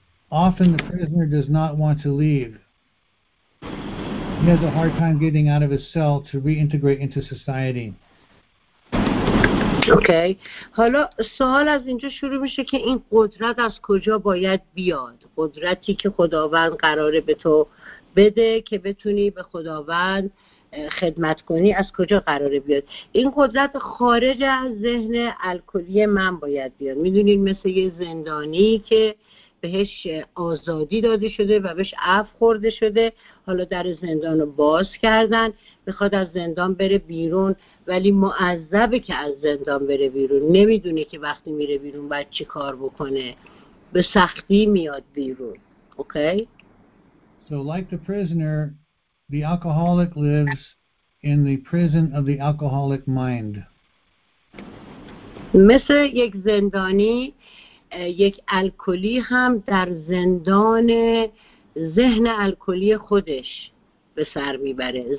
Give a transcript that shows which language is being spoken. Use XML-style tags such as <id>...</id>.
<en>Often the prisoner does not want to leave. He has a hard time getting out of his cell to reintegrate into society. Okay.</en> <fa>حالا سوال از اینجا شروع میشه که این قدرت از کجا باید بیاد؟ قدرتی که خداوند قراره به تو بده که بتونی به خداوند خدمت کنی از کجا قراره بیاد؟ این قدرت خارج از ذهن الکلی من باید بیاد. میدونین مثل یه زندانی که بهش آزادی داده شده و بهش عفو خورده شده، حالا در زندان رو باز کردن، میخواد از زندان بره بیرون، ولی معذبه که از زندان بره بیرون، نمیدونه که وقتی میره بیرون باید چی کار بکنه، به سختی میاد بیرون. اوکی؟</fa> <en>So like the prisoner, the alcoholic lives in the prison of the alcoholic mind.</en> <fa>مثل یک زندانی، یک الکلی هم در زندان ذهن الکلی خودش به سر میبره.</fa>